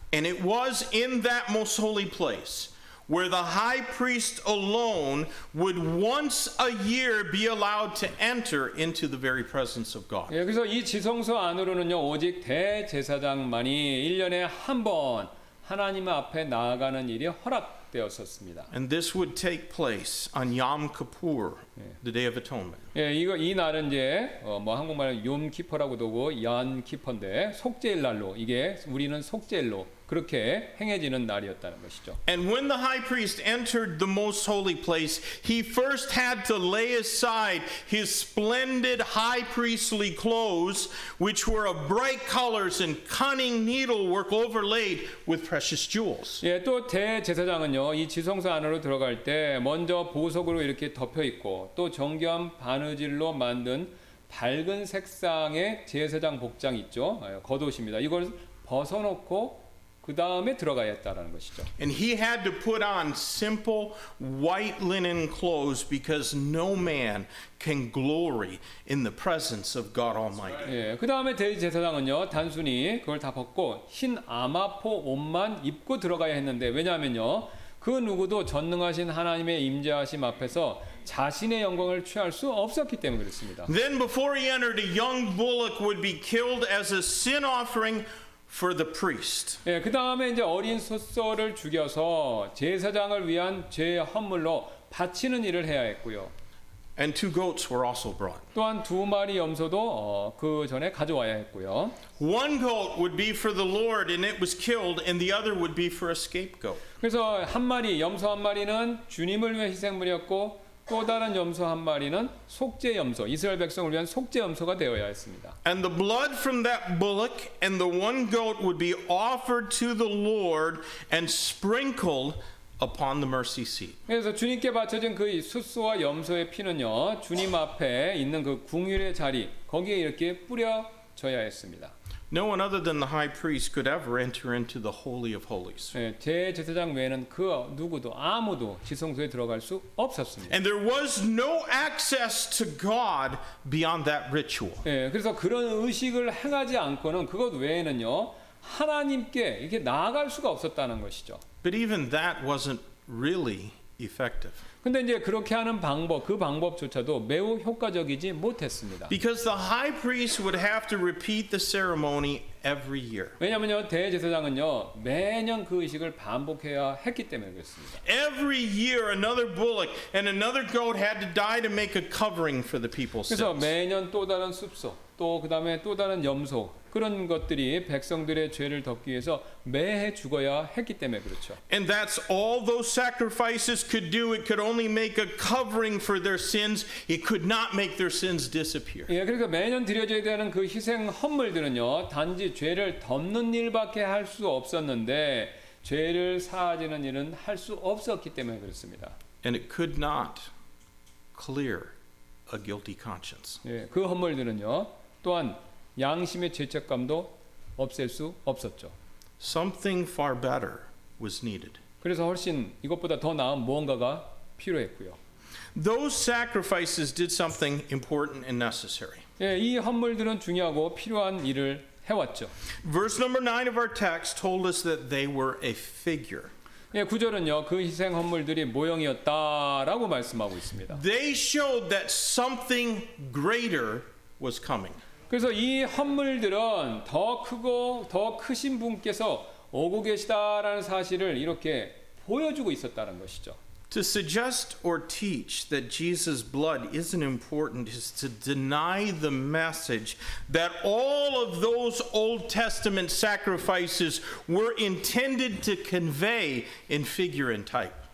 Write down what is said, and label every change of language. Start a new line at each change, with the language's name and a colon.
English: And it was in that most holy place where the high priest alone would once a year be allowed to enter into the very presence of God.
Korean: 여기서 이 지성소 안으로는요, 오직 대제사장만이 1년에 한 번 하나님 앞에 나아가는 일이 허락되었었습니다.
English: And this would take place on Yom Kippur, the Day of Atonement.
Korean: 예, 이거 이 날은 이제 뭐 한국말로 욤키퍼라고도 하고 얀키퍼인데 속죄일 날로 이게 우리는 속죄일로 그렇게 행해지는 날이었다는 것이죠.
English: And when the high priest entered the most holy place, he first had to lay aside his splendid high priestly clothes, which were of bright colors and cunning needlework overlaid with precious jewels.
Korean: 예, 또 대제사장은요, 이 지성소 안으로 들어갈 때 먼저 보석으로 이렇게 덮여 있고 또 정겸 바느질로 만든 밝은 색상의 제사장 복장 있죠? 겉옷입니다. 이걸 벗어놓고 그 다음에 들어가야 했다라는 것이죠.
English: And he had to put on simple white linen clothes because no man can glory in the presence of God Almighty.
Korean: 예, 그 다음에 대제사장은요, 단순히 그걸 다 벗고 흰 아마포 옷만 입고 들어가야 했는데 왜냐하면요, 그 누구도 전능하신 하나님의 임재하심 앞에서 자신의 영광을 취할 수 없었기 때문에 그렇습니다.
English: Then before he entered, a young bullock would be killed as a sin offering for the priest.
Korean: 예, 그다음에 이제 어린 소서를 죽여서 제사장을 위한 죄 헌물로 바치는 일을 해야 했고요.
English: And two goats were also brought.
Korean: 또한 두 마리 염소도 그 전에 가져와야 했고요.
English: One goat would be for the Lord and it was killed and the other would be for a scapegoat.
Korean: 그래서 한 마리 염소 한 마리는 주님을 위해 희생물이었고 또 다른 염소 한 마리는 속죄 염소, 이스라엘 백성을 위한 속죄 염소가 되어야 했습니다.
English: And the blood from that bullock and the one goat would be offered to the Lord and sprinkled upon the mercy seat.
Korean: 그래서 주님께 바쳐진 그 숫소와 염소의 피는요, 주님 앞에 있는 그 궁휼의 자리 거기에 이렇게 뿌려져야 했습니다.
English: No one other than the high priest could ever enter into the holy of holies.
Korean: 예, 대제사장 외에는 그 누구도 아무도 지성소에 들어갈 수 없었습니다.
English: And there was no access to God beyond that ritual.
Korean: 예, 그래서 그런 의식을 행하지 않고는 그것 외에는요 하나님께 이렇게 나아갈 수가 없었다는 것이죠.
English: But even that wasn't really effective.
Korean: 근데 이제 그렇게 하는 방법, 그 방법조차도 매우 효과적이지 못했습니다.
English: Because the high priest would have to repeat the ceremony every year.
Korean: 왜냐면요, 대제사장은요, 매년 그 의식을 반복해야 했기 때문에 그렇습니다.
English: Every year another bullock and another goat had to die to make a covering for the people's sins.
Korean: 그래서 매년 또 다른 숫소, 또 그다음에 또 다른 염소 그런 것들이 백성들의 죄를 덮기 위해서 매해 죽어야 했기 때문에 그렇죠.
English: And that's all those sacrifices could do. It could only make a covering for their sins. It could not make their sins disappear.
Korean: 예, 그러니까 매년 드려져야 되는 그 희생 헌물들은요, 단지 죄를 덮는 일밖에 할 수 없었는데 죄를 사하지는 일은 할 수 없었기 때문에 그렇습니다.
English: And it could not clear a guilty conscience.
Korean: 예, 그 헌물들은요, 또한 양심의 죄책감도 없앨 수 없었죠.
English: Something far better was needed.
Korean: 그래서 훨씬 이것보다 더 나은 무언가가 필요했고요.
English: Those sacrifices did something important and necessary.
Korean: 예, 이 헌물들은 중요하고 필요한 일을 해왔죠.
English: Verse number 9 of our text told us that they were a figure.
Korean: 예, 구절은요, 그 희생 헌물들이 모형이었다라고 말씀하고 있습니다.
English: They showed that something greater was coming.
Korean: 그래서 이 헌물들은 더 크고 더 크신 분께서 오고 계시다라는 사실을 이렇게 보여주고 있었다는 것이죠.
English: To suggest or teach that Jesus' blood isn't important is to deny the message that all of those Old Testament sacrifices were intended to convey in figure and type.